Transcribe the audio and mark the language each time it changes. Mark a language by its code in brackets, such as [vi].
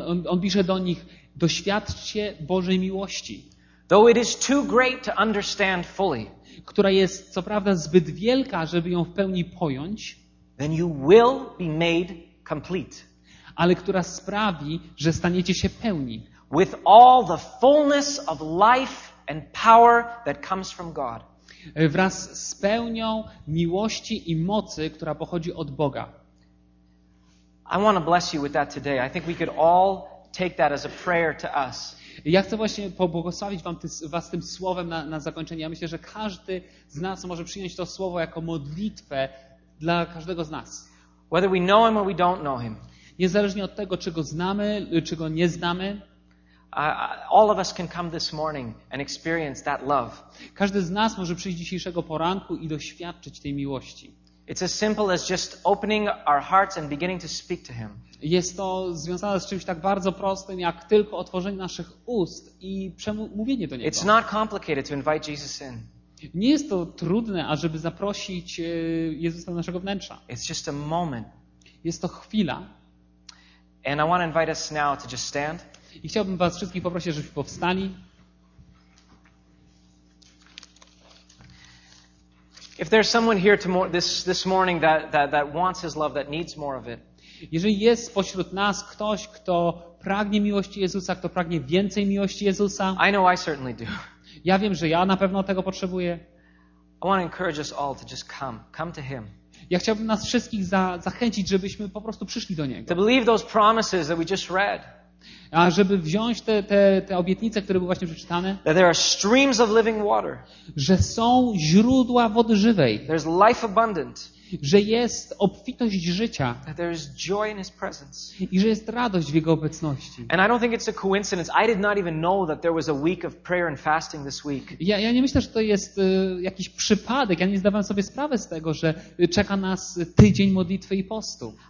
[pl] On pisze do nich: doświadczcie Bożej miłości, [en] though it is too great to understand fully, [pl] która jest co prawda zbyt wielka, żeby ją w pełni pojąć, [en] then you will be made complete, [pl] ale która sprawi, że staniecie się pełni, [en] with all the fullness of life and power that comes from God, [pl] wraz z pełnią miłości i mocy, która pochodzi od Boga. [en] I want to bless you with that today. I think we could all take that as a prayer to us. [pl] Ja chcę właśnie pobłogosławić was tym słowem na zakończenie. Ja myślę, że każdy z nas może przyjąć to słowo jako modlitwę dla każdego z nas. [en] Whether we know him or we don't know him. [pl] Niezależnie od tego, czy go znamy, czy go nie znamy. [en] All of us can come this morning and experience that love. [pl] Każdy z nas może przyjść dzisiejszego poranku i doświadczyć tej miłości. [en] It's as simple as just opening our hearts and beginning to speak to him. [pl] Jest to związane z czymś tak bardzo prostym, jak tylko otworzenie naszych ust i przemówienie do niego. [en] It's not complicated to invite Jesus in. [pl] Nie jest to trudne, ażeby zaprosić Jezusa do naszego wnętrza. [en] It's just a moment. [pl] Jest to chwila. [en] And I want to invite us now to just stand. [pl] I chciałbym was wszystkich poprosić, żebyście powstali. [en] If there's someone here this morning that wants his love, that needs more of it. [pl] Jeżeli jest spośród nas ktoś, kto pragnie miłości Jezusa, kto pragnie więcej miłości Jezusa. [en] I know I certainly do. [pl] Ja wiem, że ja na pewno tego potrzebuję. [en] I want to encourage us all to just come to him. [pl] Ja chciałbym nas wszystkich zachęcić, żebyśmy po prostu przyszli do niego. [en] To believe those promises that we just read. [pl] A żeby wziąć te obietnice, które były właśnie przeczytane, [en] that there are streams of living water, [pl] że są źródła wody żywej, [en] there's life abundant, [pl] że jest obfitość życia, [en] that there is joy in his presence, [pl] i że jest radość w jego obecności. [en] And I don't think it's a coincidence. I did not even know that there was a week of prayer and fasting this week. [pl] Ja nie myślę, że to jest jakiś przypadek. Ja nie zdawałem sobie sprawy z tego, że czeka nas tydzień modlitwy i postu.